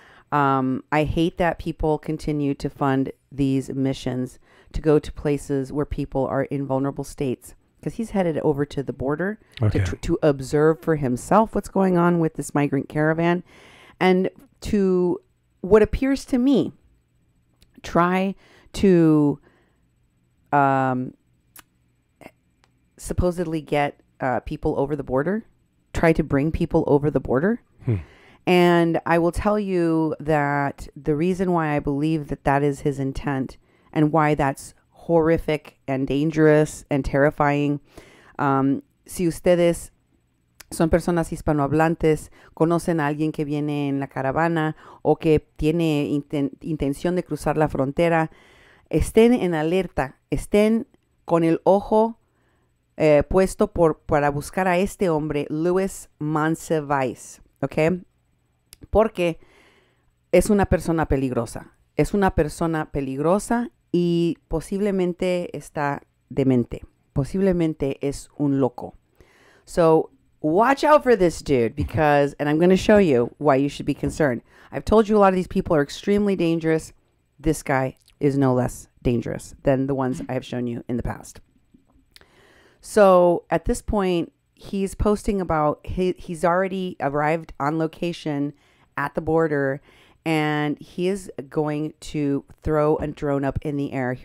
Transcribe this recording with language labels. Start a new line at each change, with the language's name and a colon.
English: I hate that people continue to fund these missions to go to places where people are in vulnerable states, because he's headed over to the border to observe for himself what's going on with this migrant caravan, and to what appears to me try to supposedly get people over the border, try to bring people over the border. And I will tell you that the reason why I believe that that is his intent, and why that's horrific and dangerous and terrifying.
Spanish: Si ustedes son personas hispanohablantes, conocen a alguien que viene en la caravana o que tiene intención de cruzar la frontera, estén en alerta, estén con el ojo puesto para buscar a este hombre, Luis Monsivais, okay? Porque es una persona peligrosa. Es una persona peligrosa y posiblemente está demente. Posiblemente es un loco.
English: So watch out for this dude, because, and I'm going to show you why you should be concerned. I've told you a lot of these people are extremely dangerous. This guy is no less dangerous than the ones I have shown you in the past. So at this point, he's posting about he's already arrived on location at the border, and he is going to throw a drone up in the air.